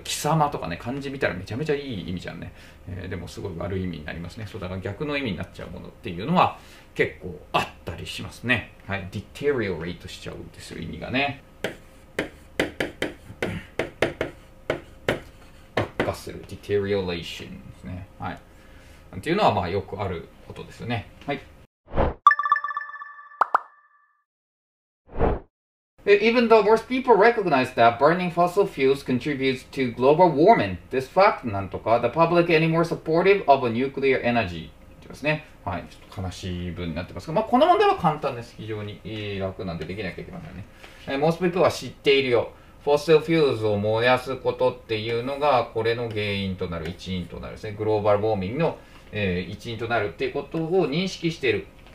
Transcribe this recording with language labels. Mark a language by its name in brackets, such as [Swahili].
[Japanese] 貴様とかね、漢字見たらめちゃめちゃいい意味じゃんね。でもすごい悪い意味になりますね。そうだから逆の意味になっちゃうものっていうのは結構あったりしますね。はい、deteriorate しちゃうんですよ、意味がね。悪化する、deterioration ですね。はい。っていうのはまあよくあることですよね。はい。 [English] Even though most people recognize that burning fossil fuels contributes to global warming, this fact, [Japanese] なんとか [English] the public anymore supportive of nuclear energy [Japanese] って言いますね。はい、ちょっと悲しい文になってますが、まあこの問題は簡単です。非常に楽なんでできなきゃいけませんね。 [English] Most people [Japanese] は知っているよ。Fossil fuels を燃やすことっていうのがこれの原因となる、一因となるですね。 Global warming の、一因となるっていうことを認識している。